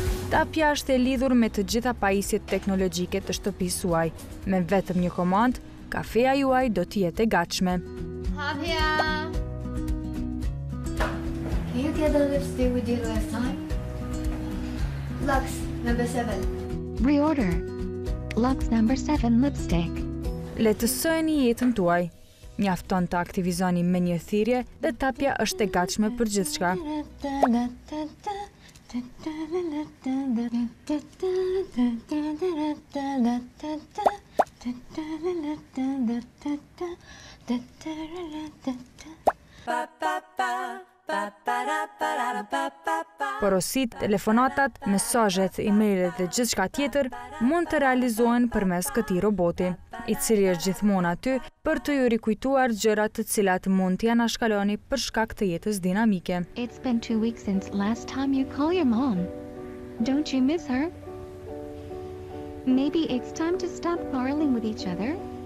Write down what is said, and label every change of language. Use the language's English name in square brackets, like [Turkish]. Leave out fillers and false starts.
[Albanian] Tapja është e lidhur me të gjitha pajisjet teknologjike të shtëpisë suaj. Me vetëm një komand, kafeja juaj do t'jetë e gatshme. Tapja! [English] Can you get a lipstick with you last time? Lux, number 7. Reorder. Lux number 7 lipstick. [Albanian] Letësojeni jetën tuaj. Mjafton të aktivizoni me një thirrje dhe Tapja është e gatshme për gjithçka. Porosit, telefonatat, mesazhet, emailet dhe gjithçka tjetër mund të realizohen përmes këtij roboti, i cili është gjithmonë aty për të ju rikujtuar gjërat të cilat mund t'ja nashkaloni për shkak të jetës dinamike. [English] It's been 2 weeks since last time you called your mom. Don't you miss her? Maybe it's time to stop quarreling with each other.